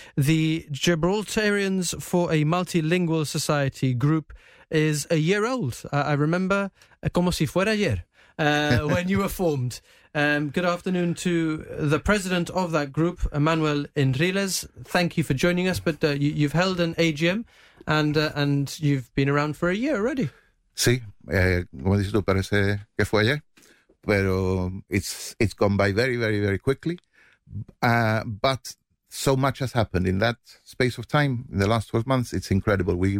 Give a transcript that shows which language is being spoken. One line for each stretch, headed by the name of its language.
English: The Gibraltarians for a Multilingual Society group is a year old. I remember,
Spanish: como si fuera ayer,
English: when you were formed. Good afternoon to the president of that group, Manuel Enriles. Thank you for joining us. But you've held an AGM and you've been around for a year already.
Spanish: Sí, como dices tú, parece que fue ayer. Pero
English: it's gone by very, very, very quickly. But so much has happened in that space of time, in the last 12 months. It's incredible.